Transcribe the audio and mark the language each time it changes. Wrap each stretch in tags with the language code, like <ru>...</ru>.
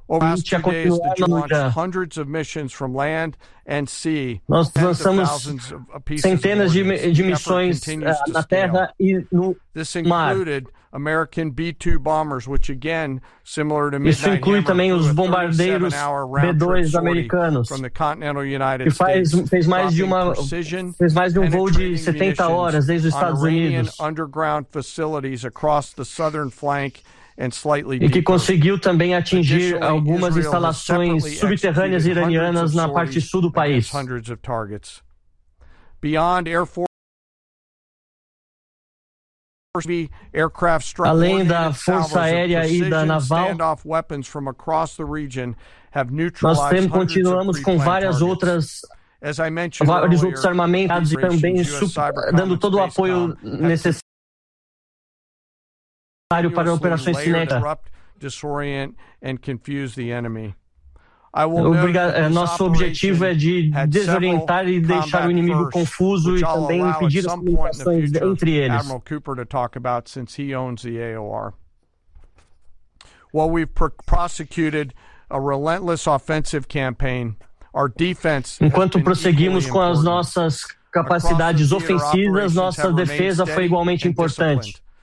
<en>Over the last 2 days, the Iran launched hundreds of missions from land and sea.</en> <pt>Nós lançamos centenas de missões na terra e no mar.</pt> <en>This included American B-2 bombers, which again, similar to Midnight</en> <pt>Hammer, inclui também os bombardeiros B-2 americanos,</pt> <en>from the continental United</en> <pt>fez mais de um voo de 70 horas desde os Estados Unidos.</pt> <en>Underground facilities across the southern flank. And slightly</en> <pt>e que conseguiu também atingir algumas instalações subterrâneas iranianas na parte sul do país.</pt> <en>Hundreds of targets. Beyond Air Force aircraft strike.</en> <pt>Além da Força Aérea e da Naval,</pt> <en>standoff weapons from across the region have neutralized</en> <pt>nós continuamos com várias outras vários outros armamentos e também dando todo o apoio necessário para operações cinéticas. Nosso objetivo é de desorientar e deixar o inimigo confuso e também impedir as comunicações entre eles.</pt> <en>Admiral Cooper to talk about since he owns the AOR. While we've prosecuted a relentless offensive campaign, our defense.</en> <pt>Enquanto prosseguimos com as nossas capacidades ofensivas, nossa defesa foi igualmente importante.</pt>